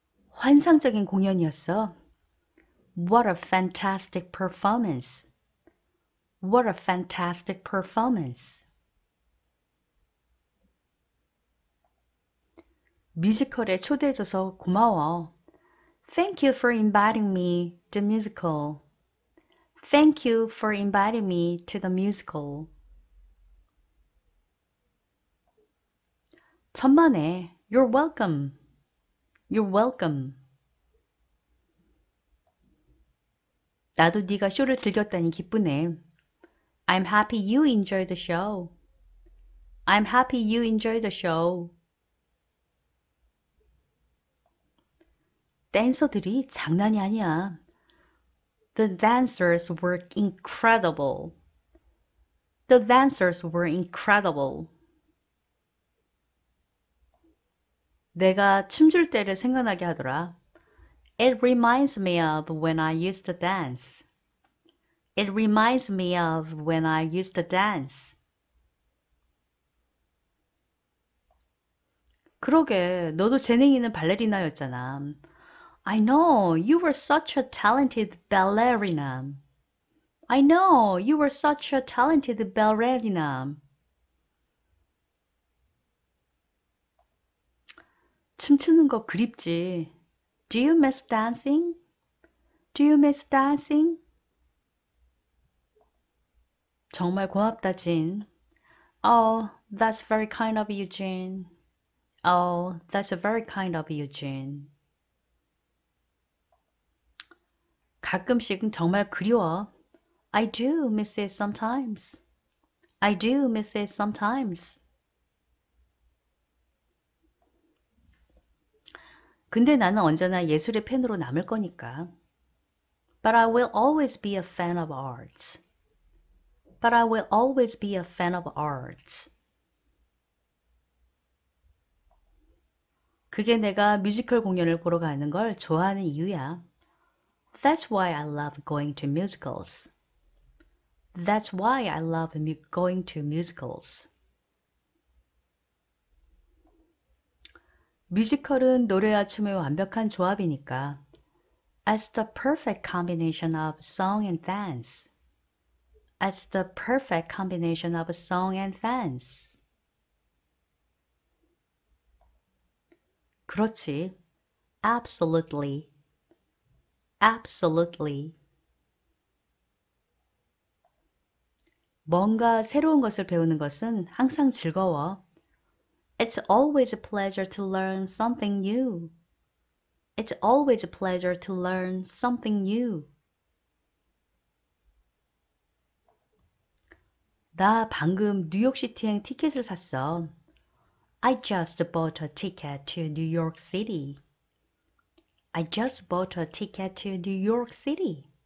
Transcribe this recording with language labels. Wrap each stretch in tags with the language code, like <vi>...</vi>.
<ko>환상적인 공연이었어.</ko> <en>What a fantastic performance. What a fantastic performance.</en> <ko>뮤지컬에 초대해줘서 고마워.</ko> <en>Thank you for inviting me to the musical. Thank you for inviting me to the musical.</en> <ko>천만에.</ko> <en>You're welcome. You're welcome.</en> <ko>나도 네가 쇼를 즐겼다니 기쁘네.</ko> <en>I'm happy you enjoy the show. I'm happy you enjoy the show.</en> <ko>댄서들이 장난이 아니야.</ko> <en>The dancers were incredible. The dancers were incredible.</en> <ko>내가 춤출 때를 생각나게 하더라.</ko> <en>It reminds me of when I used to dance. It reminds me of when I used to dance.</en> <ko>그러게, 너도 재능 있는 발레리나였잖아.</ko> <en>I know you were such a talented ballerina. I know you were such a talented ballerina.</en> <ko>춤추는 거 그립지.</ko> <en>Do you miss dancing? Do you miss dancing?</en> <ko>정말 고맙다, 진.</ko> <en>Oh, that's very kind of you, Jean. Oh, that's very kind of you, Jean.</en> <ko>가끔씩은 정말 그리워.</ko> <en>I do miss it sometimes. I do miss it sometimes.</en> <ko>근데 나는 언제나 예술의 팬으로 남을 거니까.</ko> <en>But I will always be a fan of arts. But I will always be a fan of arts.</en> <ko>그게 내가 뮤지컬 공연을 보러 가는 걸 좋아하는 이유야.</ko> <en>That's why I love going to musicals. That's why I love going to musicals.</en> <ko>뮤지컬은 노래와 춤의 완벽한 조합이니까.</ko> <en>It's the perfect combination of song and dance. It's the perfect combination of song and dance.</en> <ko>그렇지.</ko> <en>Absolutely. Absolutely.</en> <ko>뭔가 새로운 것을 배우는 것은 항상 즐거워.</ko> <en>It's always a pleasure to learn something new. It's always a pleasure to learn something new.</en> <ko>나 방금 뉴욕시티행 티켓을 샀어.</ko> <en>I just bought a ticket to New York City. I just bought a ticket to New York City.</en>